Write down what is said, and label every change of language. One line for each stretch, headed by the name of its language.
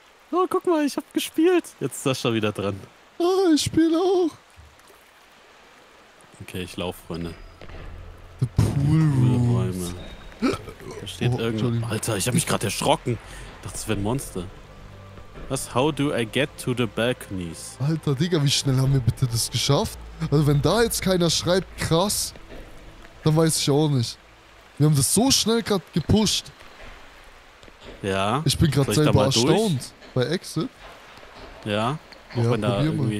German: Oh, guck mal, ich hab gespielt. Jetzt ist Sascha wieder dran. Ah, ich spiele auch. Okay, ich lauf, Freunde.
English: The Pool Room.
German: Da steht irgendwo. Alter, ich hab mich gerade erschrocken. Das wäre ein Monster. Was?
English: How do I get to the balconies?
German: Alter, Digga, wie schnell haben wir bitte das geschafft? Also wenn da jetzt keiner schreibt, krass, dann weiß ich auch nicht. Wir haben das so schnell gerade gepusht. Ja. Ich bin gerade selber erstaunt. Durch? Bei Exit. Ja. Auch ja, wenn da irgendwie...